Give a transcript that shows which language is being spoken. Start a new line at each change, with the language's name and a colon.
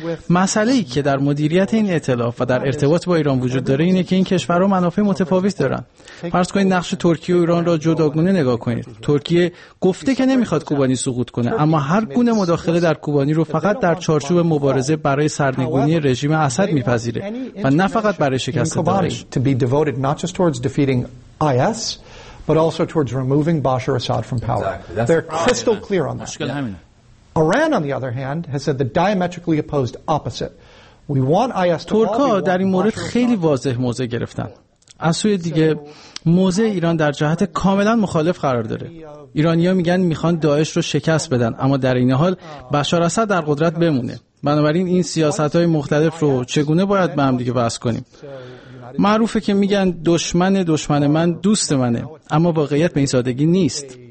Persian: مسئله ای که در مدیریت این ائتلاف و در ارتباط با ایران وجود داره اینه که این کشورها منافع متفاوت دارن. فرض کنید نقش ترکیه و ایران را جداگانه نگاه کنید. ترکیه گفته که نمیخواد کوبانی سقوط کنه، اما هر گونه مداخله در کوبانی رو فقط در چارچوب مبارزه برای سرنگونی رژیم اسد میپذیره و نه فقط برای شکست داعش.
English: To be devoted not just towards defeating IS, but also towards removing Bashar Assad from power. Exactly. They're crystal clear on that. Yeah. Iran, on the other hand, has said the diametrically opposed opposite. We want IS to Turka all be
Persian: در این مورد خیلی واضح موضع گرفتن. از سوی دیگه موضع ایران در جهت کاملا مخالف قرار داره. ایرانی ها میگن میخوان داعش رو شکست بدن، اما در این حال بشار اسد در قدرت بمونه. بنابراین این سیاست های مختلف رو چگونه باید به هم دیگه وصل کنیم؟ معروفه که میگن دشمن دشمن من دوست منه، اما واقعیت به این سادگی نیست.